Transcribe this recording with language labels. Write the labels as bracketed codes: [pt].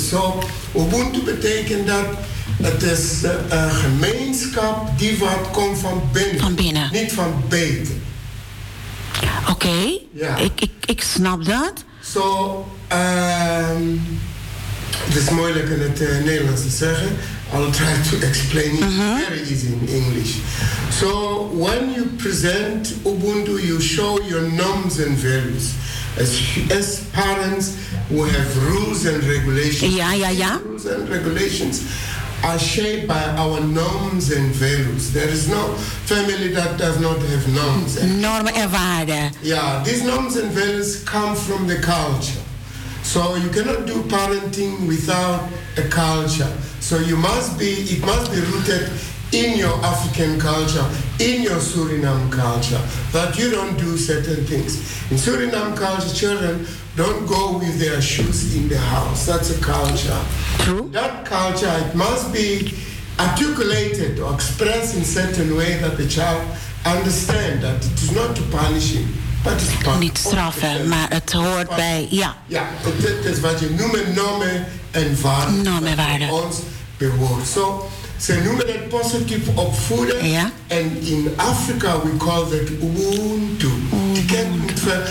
[nl] Zo Ubuntu betekent dat het is een gemeenschap die wat komt van binnen. Van binnen. Niet van buiten. Oké, ik snap dat. Zo, het is moeilijk in het Nederlands te zeggen. [en] I'll try to explain it very easy in English. So, when you present Ubuntu, you show your norms and values. As parents, we have rules and regulations. Yeah. Rules and regulations are shaped by our norms and values. There is no family that does not have norms. [nl] Norm and waarde. [en] Yeah, these norms and values come from the culture. So you cannot do parenting without a culture. So you must be, it must be rooted in your African culture, in your Suriname culture, that you don't do certain things. In Suriname culture, children don't go with their shoes in the house. That's a culture. True. That culture, it must be articulated or expressed in certain way that the child understand that it is not to punish him, but it's to [nl] niet straffen, maar het hoort bij, ja. Ja, dat is wat je noemt normen en waarden. Normen en waarden. Ons bewoord. So, ze noemen dat positief opvoeden. Ja. En in Afrika [en] we call that [nl] Ubuntu. Ubuntu.